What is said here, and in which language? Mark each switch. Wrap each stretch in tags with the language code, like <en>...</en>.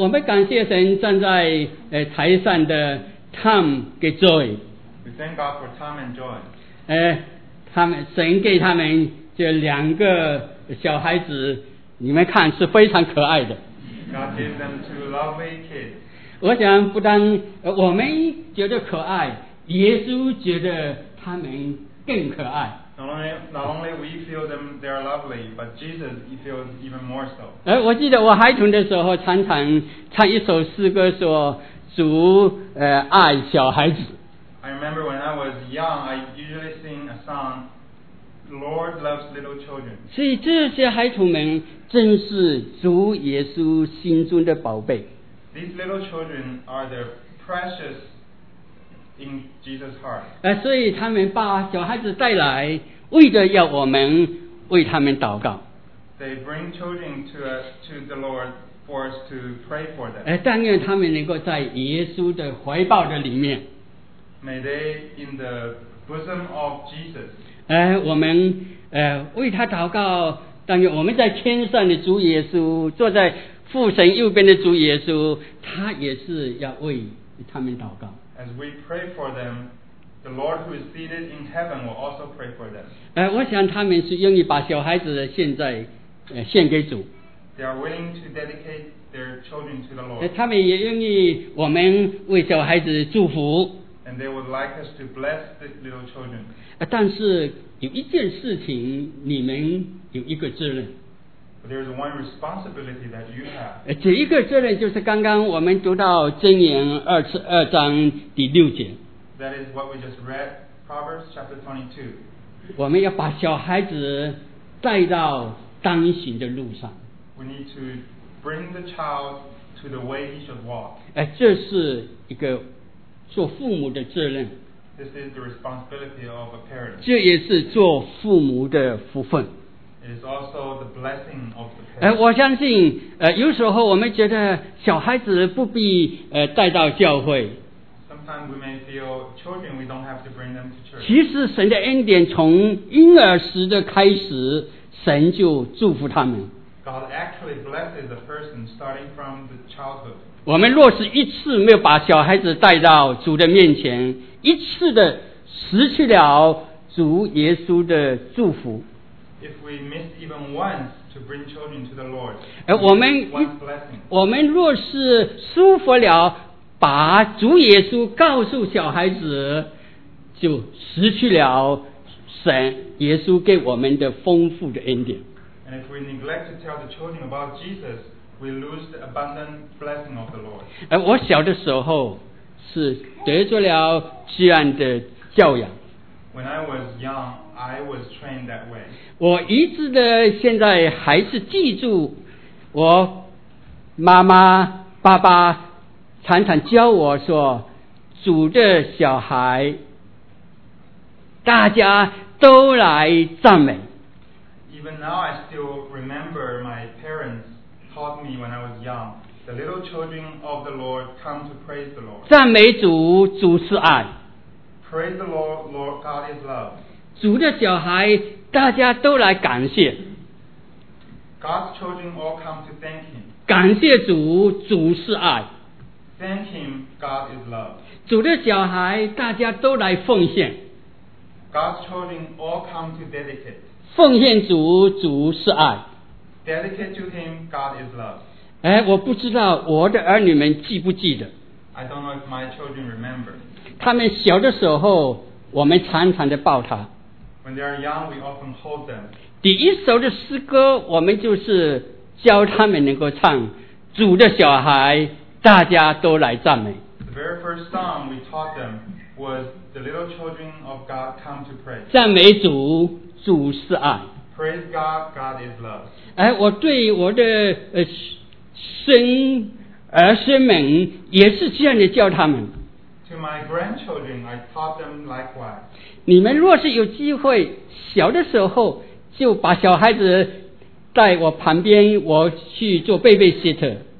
<zh>我们感谢神站在台上的 Tom 给 Joy.</zh> <en>We thank God for Tom and Joy.</en> <zh>他们神给他们这两个小孩子，你们看是非常可爱的。</zh> <en>God gave them two lovely kids.</en> <zh>我想不但我们觉得可爱，耶稣觉得他们更可爱。</zh> <en>Not only we feel them they are lovely, but Jesus he feels even more so.</en> <zh>我记得我孩童的时候常常唱一首诗歌说主爱小孩子。</zh> <en>I remember when I was young, I usually sing a song, Lord loves little children.</en> <zh>所以这些孩童们正是主耶稣心中的宝贝。</zh> <en>These little children are the precious in Jesus' heart.</en> <zh>所以他们把小孩子带来，为的要我们为他们祷告。</zh> <en>They bring children to us to the Lord for us to pray for them.</en> <zh>但愿他们能够在耶稣的怀抱的里面。</zh> <en>May they in the bosom of Jesus.</en> <zh>我们为他祷告，但愿我们在天上的主耶稣坐在。父神右边的主耶稣，他也是要为他们祷告。</zh> <en>As we pray for them, the Lord who is seated in heaven will also pray for them.</en> <zh>我想他们是愿意把小孩子现在献给主。</zh> <en>They are willing to dedicate their children to the Lord.</en> <zh>他们也愿意我们为小孩子祝福。</zh> <en>And they would like us to bless the little children.</en> <zh>但是有一件事情，你们有一个责任。</zh> <en>But there is one responsibility that you have.</en> <zh>这一个责任就是刚刚我们读到箴言二十二章第六节。</zh> <en>That is what we just read, Proverbs chapter 22.</en> <zh>我们要把小孩子带到当行的路上。</zh> <en>We need to bring the child to the way he should walk.</en> <zh>这是一个做父母的责任。</zh> <en>This is the responsibility of a parent.</en> <zh>这也是做父母的福分。</zh> <en>It is also the blessing of the parents.</en> <zh>我相信有时候我们觉得小孩子不必带到教会。</zh> <en>Sometimes we may feel children we don't have to bring them to church.</en> <zh>其实神的恩典从婴儿时的开始神就祝福他们。</zh> <en>God actually blesses the person starting from the childhood.</en> <zh>我们若是一次没有把小孩子带到主的面前，一次的失去了主耶稣的祝福。</zh> <en>If we miss even once to bring children to the Lord,</en> <zh>我们若是疏忽了把主耶稣告诉小孩子，就失去了神耶稣给我们的丰富的恩典。</zh> <en>And if we neglect to tell the children about Jesus, we lose the abundant blessing of the Lord.</en> <zh>我小的时候是得着了这样的教养。</zh> <en>When I was young, I was trained that way.</en> <zh>我一直的现在还是记住我妈妈、爸爸常常教我说，主的小孩，大家都来赞美。</zh> <en>Even now, I still remember my parents taught me when I was young. The little children of the Lord come to praise the Lord.</en> <zh>赞美主，主是爱。</zh> <en>Praise the Lord, Lord God is love.</en> <zh>主的小孩，大家都来感谢。</zh> <en>God's children all come to thank Him.</en> <zh>感谢主，主是爱。</zh> <en>Thank Him, God is love.</en> <zh>主的小孩，大家都来奉献。</zh> <en>God's children all come to dedicate.</en> <zh>奉献主，主是爱。</zh> <en>Dedicate to Him, God is love.</en> <zh>我不知道我的儿女们记不记得。</zh> <en>I don't know if my children remember.</en> <zh>他们小的时候，我们常常的抱他。</zh> <en>When they are young, we often hold them.</en> <zh>第一首的诗歌，我们就是教他们能够唱，主的小孩，大家都来赞美。</zh> <en>The very first song we taught them was the little children of God come to praise.</en> <zh>赞美主，主是爱。</zh> <en>Praise God, God is love.</en> <zh>我对我的孙儿孙们也是这样的教他们。</zh> <en>To my grandchildren, I taught them likewise.</en> <zh>你们若是有机会，小的时候就把小孩子带我旁边，我去做 babysitter。</zh>